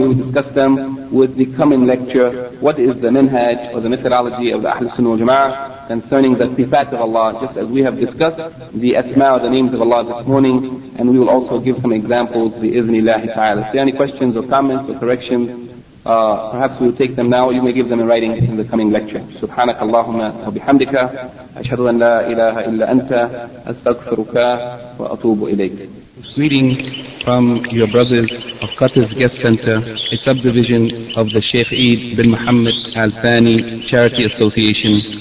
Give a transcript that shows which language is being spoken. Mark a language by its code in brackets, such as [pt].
[en] We will discuss them with the coming lecture. What is the minhaj or the methodology of the Ahl-us-Sunnah wa Jama'ah concerning the Sifat of Allah, just as we have discussed the Asma or the names of Allah this morning, and we will also give some examples, bi-iznillahi ta'ala. If there are any questions or comments or corrections, perhaps we will take them now, or you may give them in writing in the coming lecture. [ar] سبحانك اللهم وبحمدك أشهد أن لا إله إلا أنت أستغفرك وأتوب إليك. [en] Greeting from your brothers of Qatar's Guest Center, a subdivision of the Sheikh Eid bin Muhammad Al Thani Charity Association.